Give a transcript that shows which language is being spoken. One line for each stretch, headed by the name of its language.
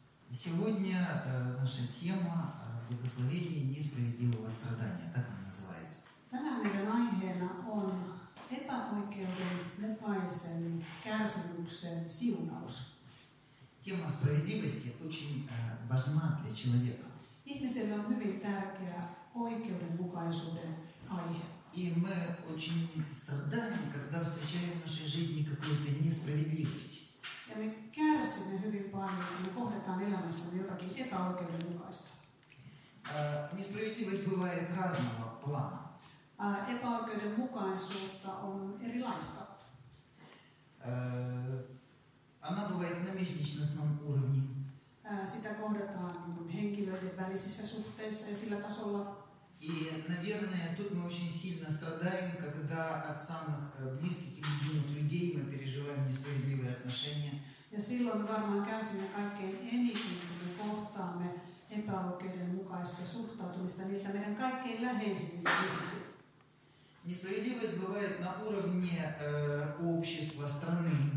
Russian: Сегодня наша тема «Благословение несправедливого страдания», так она называется.
Finnish: Tänään meidän aiheena on epäoikeudenmukaisen kärsimyksen siunaus.
Russian: Тема справедливости очень важна для человека.
Finnish: Ihmiselle on hyvin tärkeä oikeudenmukaisuuden aihe.
Russian: И мы очень страдаем, когда встречаем в нашей жизни какую-то несправедливость.
Finnish: Ja me kärsimme hyvin paljon, kun me kohdataan elämässämme jotakin epäoikeudenmukaista.
Russian: Несправедливость бывает разного плана.
Finnish: Epäoikeudenmukaisuutta on erilaista.
Russian: Она бывает на межличностном уровне.
Finnish: Sitä kohdataan henkilöiden välisissä suhteissa ja sillä tasolla.
Russian: И, наверное, тут мы очень сильно страдаем, когда от самых близких и любимых людей мы переживаем несправедливые отношения.
Finnish: Ja silloin varmaan kärsimme kaikkein eniten, kun me kohtaamme epäoikeudenmukaista suhtautumista niiltä meidän kaikkein läheisimmiltä ihmisiltä.
Russian: Несправедливость бывает на уровне общества, страны.